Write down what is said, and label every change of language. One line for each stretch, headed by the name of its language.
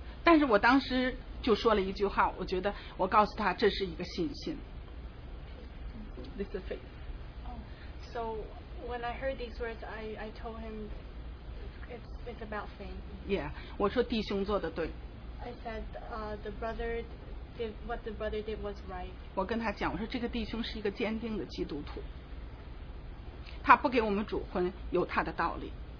Chinese: 但是我当时就说了一句话，我觉得我告诉他这是一个信心。
English: This is faith. So when I heard these words, I told him it's about faith.
Chinese: Yeah, 我说弟兄做的对。
English: I said, the brother did what the brother did was right.
Chinese: 我跟他讲，我说这个弟兄是一个坚定的基督徒，他不给我们主婚有他的道理。